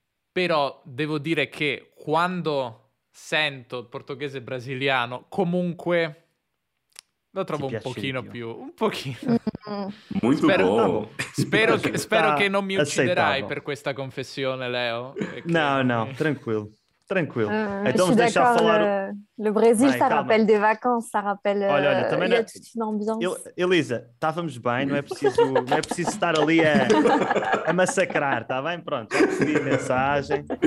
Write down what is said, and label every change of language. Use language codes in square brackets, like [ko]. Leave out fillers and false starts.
[it] Però devo dire che quando... sento il portoghese brasiliano, comunque Lo trovo un pochino più, un pochino. Molto spero, buono. No, spero che non mi ucciderai per questa confessione, Leo. No, tranquillo. Tranquillo. [fr] Je suis d'accord, le Brésil, ça rappelle des vacances, ça rappelle il y a toute une ambiance. [pt] Elisa, estávamos bem, não é preciso estar ali a massacrar, está bem? Pronto, recebi a mensagem.